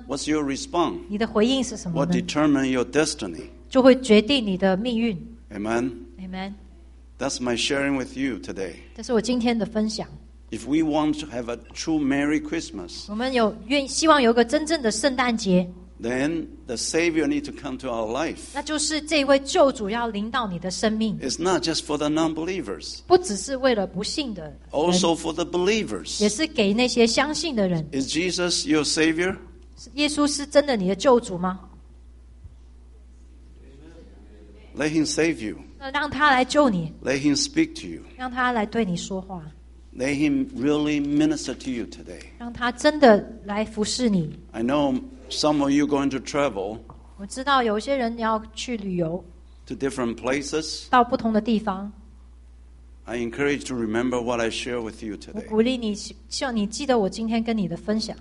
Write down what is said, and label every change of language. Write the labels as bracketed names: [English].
[English] What's your response? [Chinese] 你的回应是什么呢？ [English] What determine your destiny? [Chinese] 就会决定你的命运。 [English] Amen. Amen. That's my sharing with you today. [Chinese] 这是我今天的分享。 [English] If we want to have a true Merry Christmas, [Chinese] 我们有愿希望有个真正的圣诞节。 [English] Then the Savior needs to come to our life. [Chinese] 那就是这位救主要临到你的生命。 [English] It's not just for the non-believers. [Chinese] 不只是为了不信的人。 [English] Also for the believers. [Chinese] 也是给那些相信的人。 [English] Is Jesus your Savior? [Chinese] 耶稣是真的你的救主吗？ [English] Let him save you. [Chinese] 让他来救你。 [English] Let him speak to you. [Chinese] 让他来对你说话。 [English] Let him really minister to you today. [Chinese] 让他真的来服侍你。 [English] I know. Some of you going to travel. [Chinese] 我知道有些人要去旅游。 [English] To different places. [Chinese] 到不同的地方。 [English] I encourage you to remember what I share with you today. [Chinese] 我鼓励你，希望你记得我今天跟你的分享。